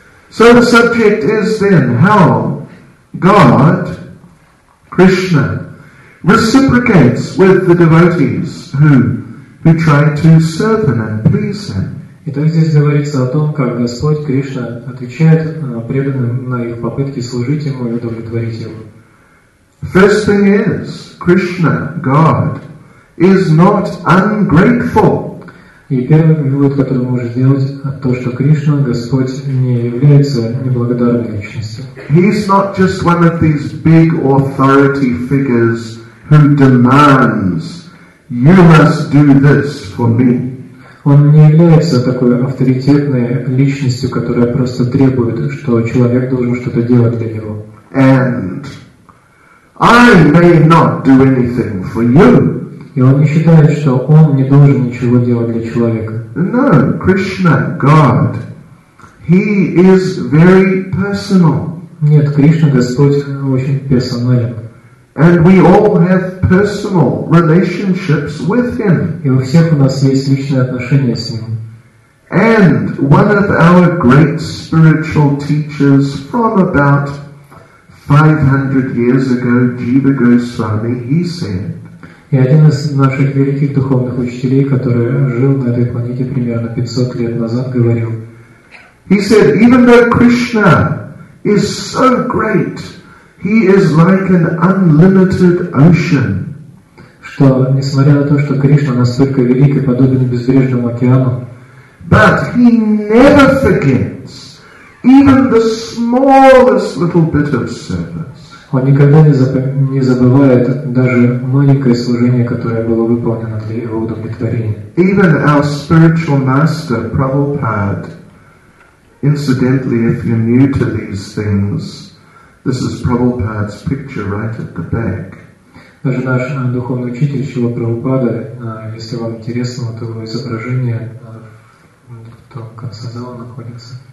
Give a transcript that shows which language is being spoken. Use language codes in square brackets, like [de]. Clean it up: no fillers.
[en] So the subject is then how God, Krishna, reciprocates with the devotees who try to serve Him and please Him. [ru] Итак, здесь говорится о том, как Господь Кришна отвечает преданным на их попытки служить Ему и удовлетворить Его. [en] First thing is, Krishna, God, is not ungrateful. [ru] И первый вывод, который мы можем сделать, то, что Кришна, Господь, не является неблагодарной личностью. [en] He is not just one of these big authority figures who demands, you must do this for me. [ru] Он не является такой авторитетной личностью, которая просто требует, что человек должен что-то делать для него. [en] And I may not do anything for you. [ru] И он не считает, что он не должен ничего делать для человека. [en] No, Krishna, God, He is very personal. [ru] Нет, Кришна, Господь, очень персонален. [en] And we all have personal relationships with Him. [ru] И у всех у нас есть личные отношения с Ним. [en] And one of our great spiritual teachers from about 500 years ago, Jiva Goswami, he said. [ru] И один из наших великих духовных учителей, который жил на этой планете примерно 500 лет назад, говорил. [en] He said, even though Krishna is so great. He is like an unlimited ocean. [ru] Что, несмотря на то, что Кришна настолько велик и подобен безбрежному океану, [en] but he never forgets even the smallest little bit of service. [ru] Он никогда не забывает даже маленькое служение, которое было выполнено для его удовлетворения. [en] Even our spiritual master Prabhupada, incidentally, if you're new to these things. This is Prabhupada's picture right at the back. [ru] Даже наш духовный учитель Шрила Прабхупада, если вам интересно, вот его изображение в том конце зала находится.